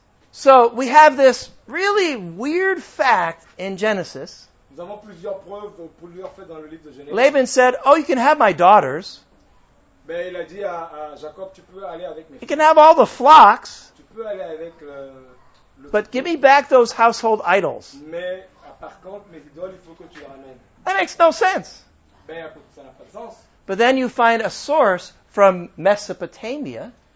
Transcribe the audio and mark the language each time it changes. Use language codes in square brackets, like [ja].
[en] So, we have this really weird fact in Genesis. [fr] Nous avons plusieurs preuves, plusieurs faits dans le livre de Genèse. [en] Laban said, oh, you can have my daughters. [fr] Mais il a dit à Jacob, tu peux aller avec mes [en] You can have all the flocks. [fr] Tu peux aller avec [en] but give me back those household idols. [fr] Mais par contre, mes idoles, il faut que tu les ramènes. [en] That makes no sense. [fr] Ben, ça n'a pas de sens. [en] But then you find a source from Mesopotamia.